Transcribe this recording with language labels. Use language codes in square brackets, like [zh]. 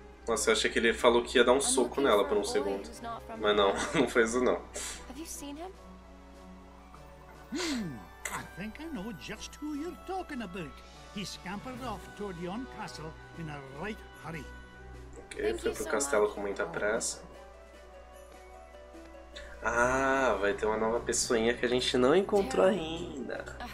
[pt] Nossa, eu achei que ele falou que ia dar um soco nela por um segundo. Mas não, não foi isso não. [en] Have you seen him? I think I know just who you're talking about. He scampered off toward yon castle in a right hurry. [pt] Okay, ele foi pro castelo com muita pressa. Ah, vai ter uma nova pessoinha que a gente não encontrou ainda.